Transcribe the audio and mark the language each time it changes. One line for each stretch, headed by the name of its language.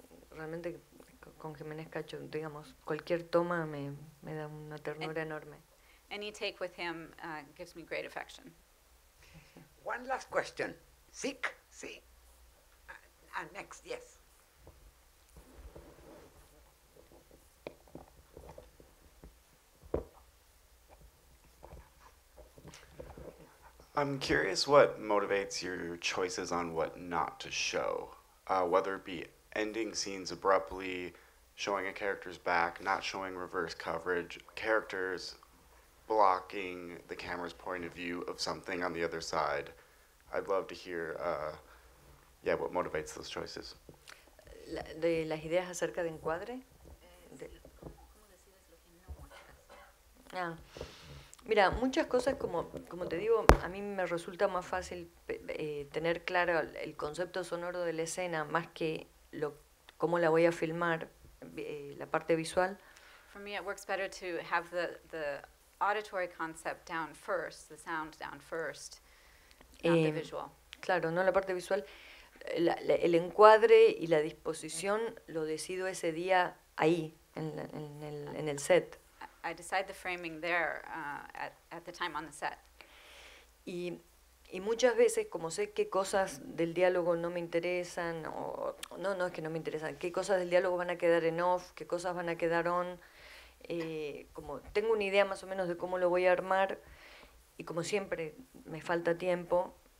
Spanish: Realmente con Jiménez Cacho, digamos, cualquier toma me da una ternura enorme.
English: Any take with him gives me great affection. One last question. Sick? Sí. Next, yes. I'm curious what motivates your choices on what not to show, whether it be ending scenes abruptly, showing a character's back, not showing reverse coverage, characters blocking the camera's point of view of something on the other side. I'd love to hear, what motivates those choices.
Spanish: De las ideas acerca de encuadre? Mira, muchas cosas, como te digo, a mí me resulta más fácil tener claro el concepto sonoro de la escena más que cómo la voy a filmar, la parte visual.
English: For me it works better to have the auditory concept down first, the sound down first, not the visual.
Spanish: Claro, no la parte visual. El encuadre y la disposición lo decido ese día ahí, en el set.
English: I decide the framing there at the time on the set.
Spanish: Y muchas veces, como sé qué cosas del diálogo no me interesan, no es que no me interesan, qué cosas del diálogo van a quedar en off, qué cosas van a quedar on, como tengo una idea más o menos de cómo lo voy a armar, y como siempre me falta tiempo,